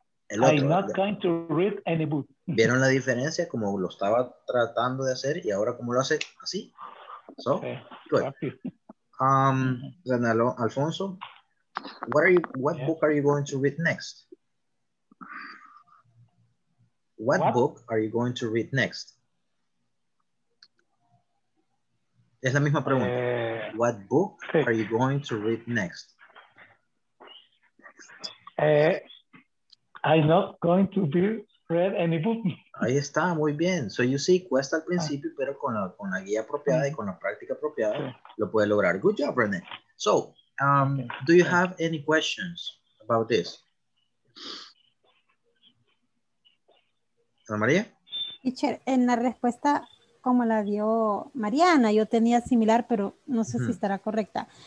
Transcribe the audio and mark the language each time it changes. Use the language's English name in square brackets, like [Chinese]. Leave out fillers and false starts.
[Spanish] El otro, [English] I'm not going to read any book. [Spanish] ¿Vieron la diferencia? Como lo estaba tratando de hacer y ahora como lo hace así. [English] So, okay. Good. Alfonso, what book are you going to read next? [Spanish] Es la misma pregunta. [English] What book are you going to read next? I'm not going to be read any book. [Spanish] Ahí está, muy bien. [English] So you see, [Spanish] cuesta al principio, pero con la guía apropiada y con la práctica apropiada, lo puede lograr. [English] Good job, [Spanish] René. [English] So, do you have any questions about this? Ana María? [Spanish] Teacher, en la respuesta como la dio Mariana, yo tenía similar, pero no sé si estará correcta.